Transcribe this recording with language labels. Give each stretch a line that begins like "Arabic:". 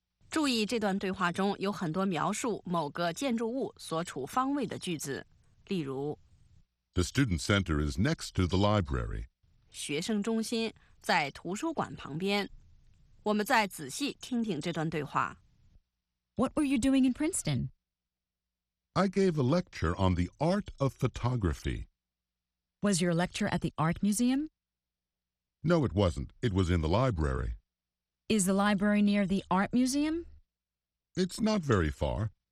Chinese: 注意这段对话中有很多描述某个建筑物所处方位的句子，例如
English: The student center is next to the library.
Chinese: 学生中心在图书馆旁边。我们再仔细听听这段对话。
English: What were you doing in Princeton? I gave a lecture on the art of photography. Was your lecture at the art museum? No, it wasn't. It was in the library. Is the library near the art museum? It's not very far.